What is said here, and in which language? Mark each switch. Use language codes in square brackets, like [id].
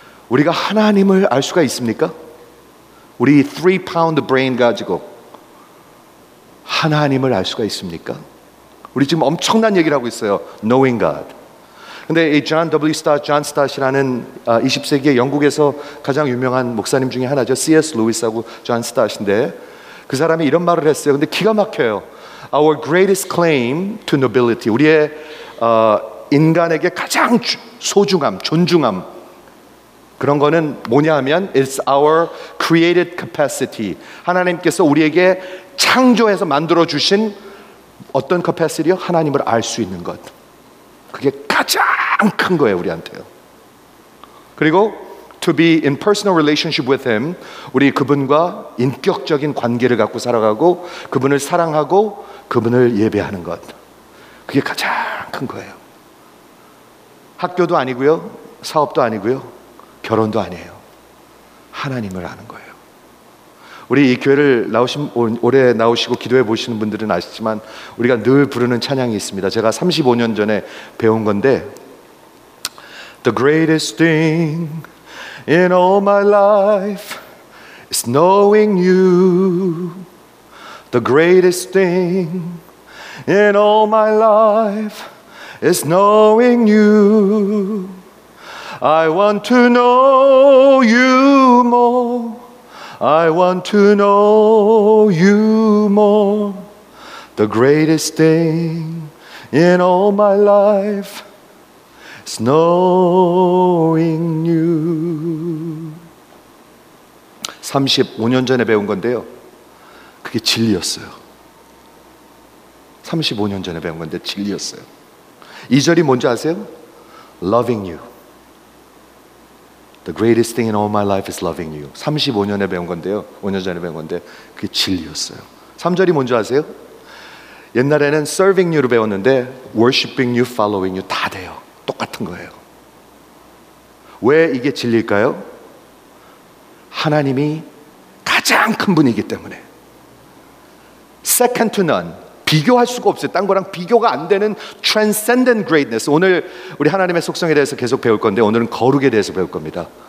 [ko] 우리가 하나님을 알 수가 있습니까? 우리 [en] 3-pound brain [ko] 가지고 하나님을 알 수가 있습니까? 우리 지금 엄청난 얘기를 하고 있어요. [en] Knowing God. [ko] 근데 이 John W. Stott, John Stott이라는 20세기의 영국에서 가장 유명한 목사님 중에 하나죠. C.S. Lewis하고 John Stott인데 그 사람이 이런 말을 했어요. 근데 기가 막혀요. [en] Our greatest claim to nobility. [ko] 우리의 인간에게 가장 소중함, 존중함. 그런 거는 뭐냐 하면 [en] It's our created capacity. [ko] 하나님께서 우리에게 창조해서 만들어주신 어떤 capacity요? 하나님을 알 수 있는 것. 그게 가장 큰 거예요 우리한테요. 그리고 [en] to be in personal relationship with him, [ko] 우리 그분과 인격적인 관계를 갖고 살아가고 그분을 사랑하고 그분을 예배하는 것, 그게 가장 큰 거예요. 학교도 아니고요, 사업도 아니고요, 결혼도 아니에요. 하나님을 아는 거예요. 우리 이 교회를 나오신 올해 나오시고 기도해 보시는 분들은 아시지만 우리가 늘 부르는 찬양이 있습니다. 제가 35년 전에 배운 건데 [en] The greatest thing in all my life is knowing you. The greatest thing in all my life is knowing you. I want to know you more. I want to know you more. The greatest thing in all my life is knowing you. [ko] 35년 전에 배운 건데요. 그게 진리였어요. 35년 전에 배운 건데 진리였어요. 이 절이 뭔지 아세요? [en] Loving you. The greatest thing in all my life is loving you. [ko] 35년에 배운 건데요. 5년 전에 배운 건데 그게 진리였어요. 3절이 뭔지 아세요? 옛날에는 [en] serving you [ko] 로 배웠는데 [en] worshiping you, following you [ko] 다 돼요. 똑같은 거예요. 왜 이게 진리일까요? 하나님이 가장 큰 분이기 때문에. [en] Second to none. [ko] 비교할 수가 없어요. 딴 거랑 비교가 안 되는 transcendent greatness. 오늘 우리 하나님의 속성에 대해서 계속 배울 건데 오늘은 거룩에 대해서 배울 겁니다.